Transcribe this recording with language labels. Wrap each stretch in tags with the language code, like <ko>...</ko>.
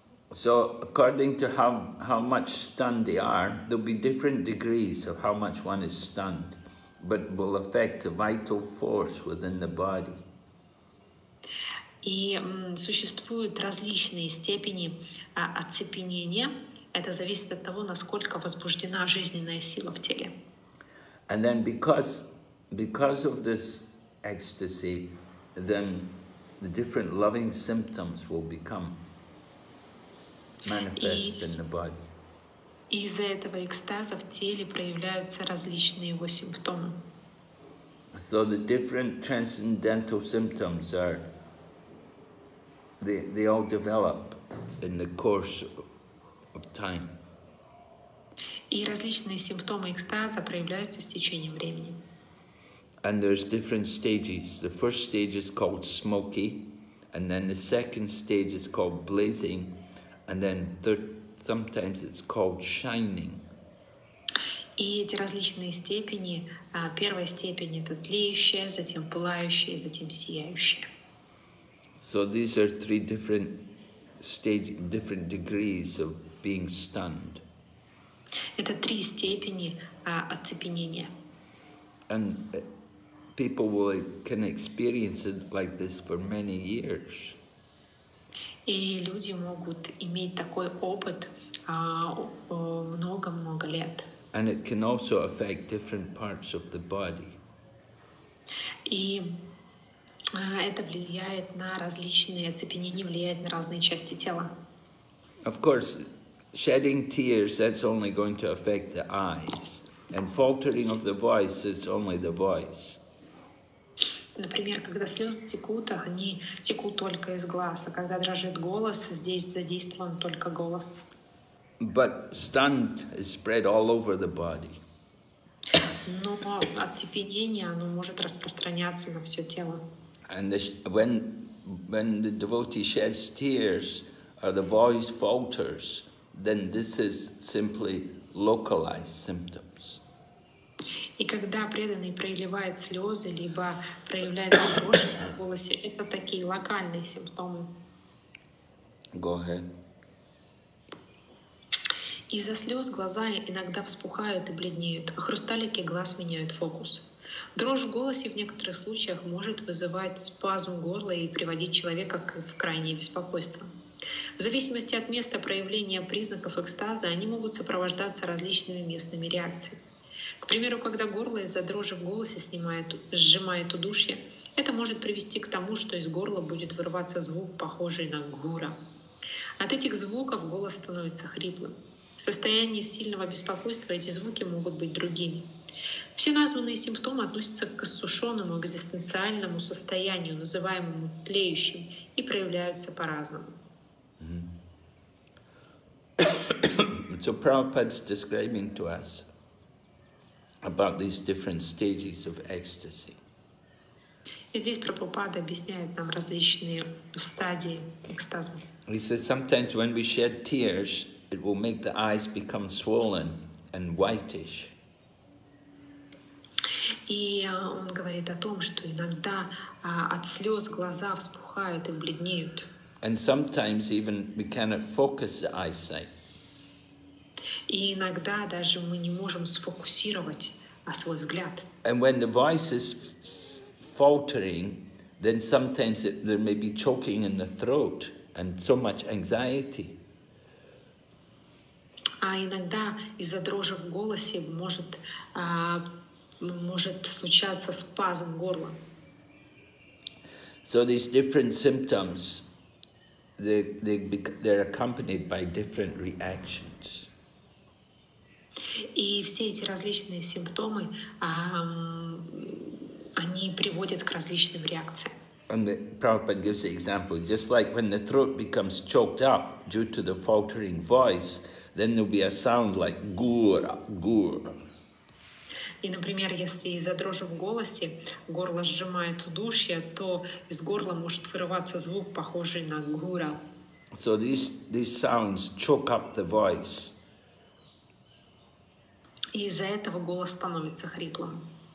<en>So, according to how much stunned they are, there'll be different degrees of how much one is stunned, but will affect the vital force within the body.</en> <ru>И существуют различные степени оцепенения. Это зависит от того, насколько возбуждена жизненная сила в теле.</ru> <en>And then because of this ecstasy, then the different loving symptoms will become manifest in the body.</en> <ru>Из-за этого экстаза в теле проявляются различные его симптомы.</ru> <en>So the different transcendental symptoms are they all develop in the course of time.</en> <ru>И различные симптомы экстаза проявляются с течением времени.</ru> <en>And there's different stages. The first stage is called smoky, and then the second stage is called blazing, and then third, sometimes it's called shining.</en> <ru>И эти различные степени, первая степень это тлеющая, затем пылающая, затем сияющая.</ru> <en>So these are three different stages, different degrees of being stunned.</en> <ru>Это три степени оцепенения.</ru> <en>And people can experience it like this for many years.</en> <ru>И люди могут иметь такой опыт много-много лет.</ru> <en>And it can also affect different parts of the body.</en> <ru>И это влияет на различные оцепенения, влияет на разные части тела.</ru> <en>Of course. Shedding tears, that's only going to affect the eyes. And faltering of the voice, it's only the voice.</en> <ru>Например, когда слезы текут, они текут только из глаз. А когда дрожит голос, здесь задействован только голос.</ru> <en>But stunned is spread all over the body.</en> <ru>Но оцепенение, оно может распространяться на все тело.</ru> <en>And when the devotee sheds tears, or the voice falters, then this is simply localized symptoms.</en> <ru>И когда преданный проливает слезы, либо проявляет дрожь в голосе, это такие локальные симптомы.</ru> <en>Go ahead.</en> <ru>Из-за слез глаза иногда вспухают и бледнеют, а хрусталики глаз меняют фокус. Дрожь в голосе в некоторых случаях может вызывать спазм горла и приводить человека в крайнее беспокойство. В зависимости от места проявления признаков экстаза, они могут сопровождаться различными местными реакциями. К примеру, когда горло из-за дрожи в голосе сжимает удушье, это может привести к тому, что из горла будет вырваться звук, похожий на гура. От этих звуков голос становится хриплым. В состоянии сильного беспокойства эти звуки могут быть другими. Все названные симптомы относятся к иссушенному экзистенциальному состоянию, называемому тлеющим, и проявляются по-разному.</ru> <en>So Prabhupada's describing to us about these different stages of ecstasy.</en> <ru>Здесь Прабхупада объясняет нам различные стадии экстаза.</ru> <en>He says sometimes when we shed tears, it will make the eyes become swollen and whitish.</en> <ru>И он говорит о том, что иногда от слез глаза вспухают и бледнеют.</ru> <en>And sometimes even we cannot focus the eyesight.</en> <ru>И иногда даже мы не можем сфокусировать свой взгляд.</ru> <en>And when the voice is faltering, then sometimes there may be choking in the throat and so much anxiety.</en> <ru>А иногда из-за дрожи в голосе может случаться спазм горла.</ru> <en>So these different symptoms, they're accompanied by different reactions.</en> <ru>И все эти различные симптомы, они приводят к различным реакциям.</ru> <en>And the Prabhupada gives the example, just like when the throat becomes choked up due to the faltering voice, then there'll be a sound like gura, gura.</en> <ru>И, например, если из-за дрожи в голосе горло сжимает удушье, то из горла может вырываться звук, похожий на гура.</ru> <en>So these sounds choke up the voice.</en> <ru>И из-за этого голос становится хриплым.</ru>